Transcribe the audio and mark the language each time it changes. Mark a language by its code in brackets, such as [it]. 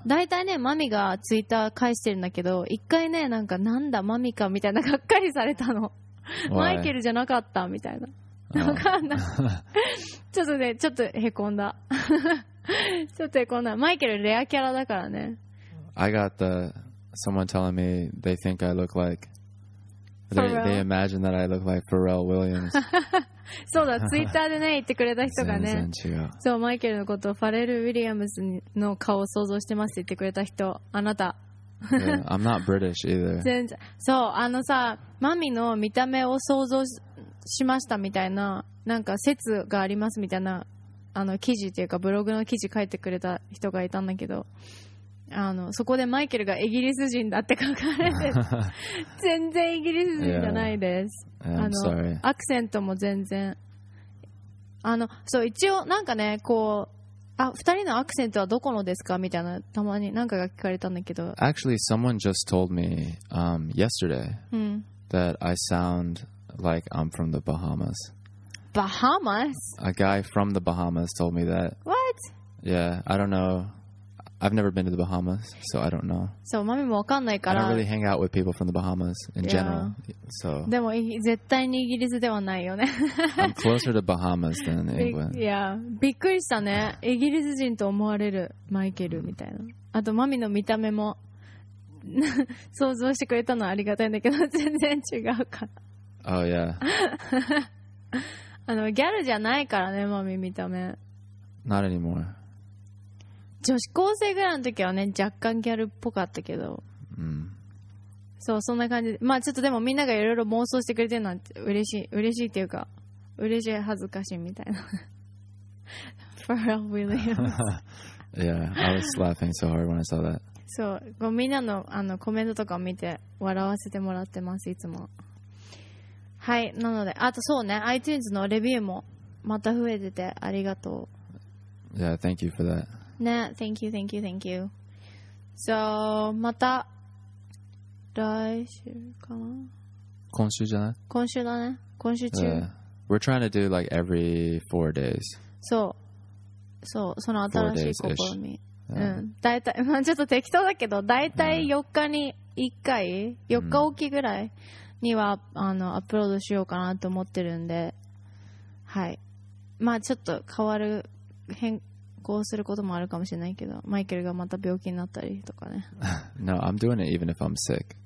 [ja] だいたいねマミが Twitter 返してるんだけど、一回ねなんかなんだマミかみたいな、がっかりされたの。 [en] Why? [ja] マイケルじゃなかったみたいな、わかんない。ちょっとねちょっとへこんだ。ちょっとへこんだ。マイケルレアキャラだからね。 [en] I got the someone telling me they think I look like They imagine that I look like Pharrell Williams. [ja] そうだ、ツイッターでね言ってくれた人がね。全然違う。そう、マイケルのことをファレル・ウィリアムズの顔を想像してますって言ってくれた人、あなた。 [en] Yeah, I'm not British either. [ja] 全然。そう、あのさ、マミの見た目を想像しましたみたいな、なんか説がありますみたいな、あの記事というかブログの記事書いてくれた人がいたんだけど、あのそこでマイケルがイギリス人だって書かれて、全然イギリス人じゃないです。 [en] yeah, あの、sorry. [ja] アクセントも全然、あのそう一応なんかねこう、あ2人のアクセントはどこのですかみたいな、たまに何かが聞かれたんだけど、 [en] Actually someone just told me yesterday、 [ja] うん、 [en] that I sound like I'm from the Bahamas. Bahamas? A guy from the Bahamas told me that. What? Yeah, I don't knowI've never been to the Bahamas, so I don't know. [ja] そう、マミもわかんないから。 [en] I don't really hang out with people from the Bahamas in general. Yeah. So. [ja] でも絶対にイギリスではないよね。 [en] I'm closer to Bahamas than England. [ja] Yeah. びっくりしたね。イギリス人と思われるマイケルみたいな。あとマミの見た目も想像してくれたのはありがたいんだけど、全然違うから。 [en] Oh yeah. [ja] あのギャルじゃないからね、マミ見た目。 [en] Not anymore. [ja] 女子高生ぐらいの時はね若干ギャルっぽかったけど、うん、そうそんな感じで、まあちょっとでもみんながいろいろ妄想してくれてるのは嬉しい、嬉しいっていうか嬉しい恥ずかしいみたいな。 [en] Pharrell Williams。 Yeah, I was laughing so hard when I saw that. [ja] そう、もうみんなの、あのコメントとかを見て笑わせてもらってますいつも。はい、なのであとそうね、 iTunes のレビューもまた増えててありがとう。 [en] Yeah, thank you for that ね、thank you, thank you, thank you. So, [ja] また来週かな？今週じゃない？今週だね。今週中。 [en] Yeah. We're trying to do like every 4 days. [ja] そう。そう、その新しい試み。Yeah. うん。だいたい、まあ、ちょっと適当だけど、だいたい4日に1回、4日おきぐらいには、あの、アップロードしようかなと思ってるんで、はい。まあ、ちょっと変わる変、こうすることもあるかもしれないけど、マイケルがまた病気になったりとかね。 [en] No, I'm doing it even if I'm sick.